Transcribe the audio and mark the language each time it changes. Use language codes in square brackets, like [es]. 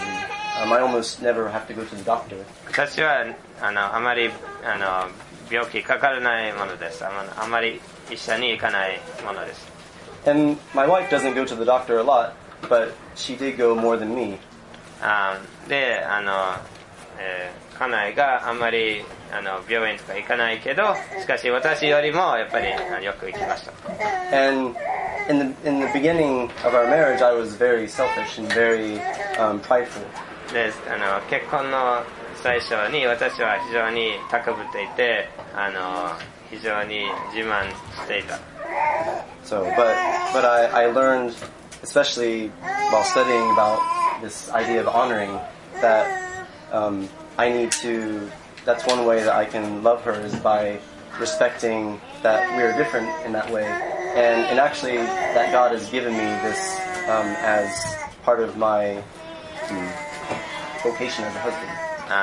[en] I almost never have to go to the doctor. [ja] 私はあまり病気かからないものです。あまり医者に行かないものです。 [en] And my wife doesn't go to the doctor a lot, but she did go more than me. [ja] で、家内があまり病院とか行かないけど、しかし私よりもやっぱりよく行きました。 [en] And in the beginning of our marriage, I was very selfish and very prideful. [ja] で、結婚の最初に私は非常に高ぶっていて、非常に自慢していた。 [en] So, but I learned, especially while studying about this idea of honoring, that, I need to, that's one way that I can love her is by respecting that we are different in that way, and actually that God has given me this, as part of my, vocation as a husband.